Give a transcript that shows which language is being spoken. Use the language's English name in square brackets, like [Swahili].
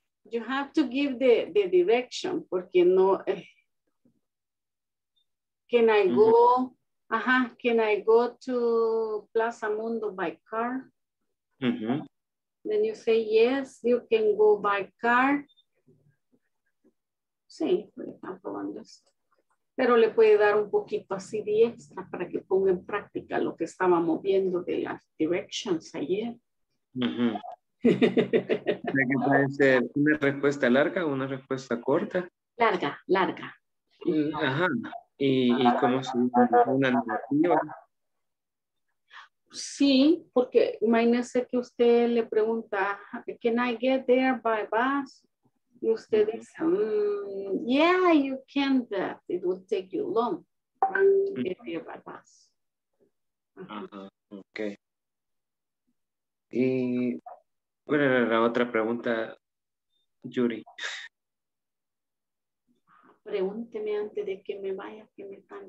[English] You have to give the direction, [Spanish] porque no. [English] Can I go? Mm-hmm. Uh-huh. Can I go to Plaza Mundo by car? Mm-hmm. Then you say yes, you can go by car. [Spanish] Sí, por ejemplo, Andrés. Pero le puede dar un poquito así de extra para que ponga en práctica lo que estábamos viendo de las directions ayer. Mm-hmm. ¿Qué puede ser? ¿Una respuesta larga o una respuesta corta? Larga, larga. Ajá. ¿Y cómo se dice una negativa? Sí, porque imagínese que usted le pregunta, [English] can I get there by bus? [Spanish] Y usted dice, [English] yeah, you can, but it will take you long to get there by bus. Uh-huh. [Spanish] Ok. ¿Y cuál era la otra pregunta, Yuri? Pregúnteme antes de que me vaya, que me están